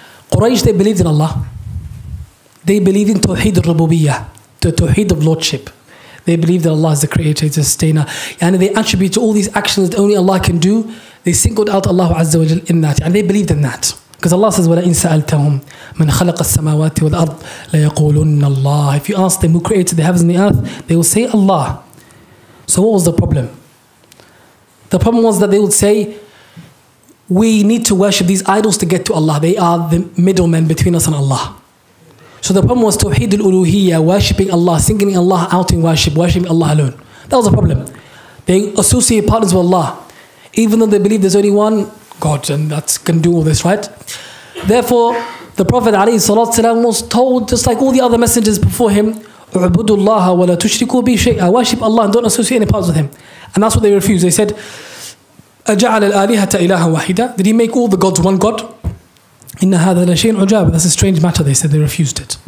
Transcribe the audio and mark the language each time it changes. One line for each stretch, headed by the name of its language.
English: Quraysh, they believed in Allah. They believed in Tawheed al-Rububiyyah, the Tawheed of Lordship. They believed that Allah is the creator, the sustainer. And they attribute all these actions that only Allah can do. They singled out Allah Azza wa Jal in that. And they believed in that. Because Allah says,
Arabic: وَلَئِن سَأَلْتَهُمْ مَنْ خَلَقَ السَّمَاوَاتِ وَالْأَرْضِ لَيَقُولُنَّ اللَّهِ.
English: If you ask them who created the heavens and the earth, they will say Allah. So what was the problem? The problem was that they would say, we need to worship these idols to get to Allah. They are the middlemen between us and Allah. So the problem was Tawheed al-Uluhiyya, worshipping Allah, singing Allah out in worship, worshipping Allah alone. That was the problem. They associate partners with Allah. Even though they believe there's only one God and that can do all this, right? Therefore, the Prophet alayhi salatu wasalam was told, just like all the other messengers before him,
Arabic: عُبُدُ اللَّهَ وَلَا تُشْرِكُوا بِي شَيْءٍ.
English: I worship Allah and don't associate any parts with him. And that's what they refused. They said,
Arabic: أَجَعَلَ الْآلِهَةَ إِلَهًا وَاحِدًا.
English: Did he make all the gods one god?
Arabic: إِنَّ هَذَا لَشَيْءٍ عُجَابٍ.
English: That's a strange matter. They said they refused it.